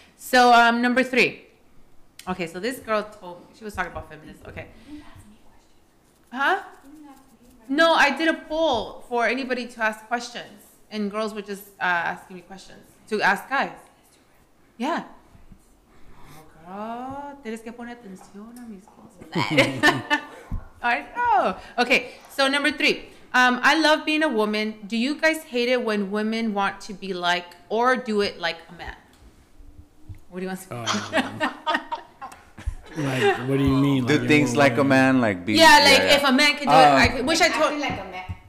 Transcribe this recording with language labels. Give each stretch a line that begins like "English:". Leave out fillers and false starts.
English: So number three. Okay, so this girl told me, she was talking about feminism. Okay. Huh? No, I did a poll for anybody to ask questions, and girls were just asking me questions to ask guys. Yeah. Oh, girl,
Spanish: tienes que poner atención a mis cosas.
English: I know. Okay, so number three. I love being a woman. Do you guys hate it when women want to be like or do it like a man? What do you want to say? Like, what do you mean? Do like things like a man, like be. Yeah, like yeah. if a man can do it, I wish I told. Acting like a man.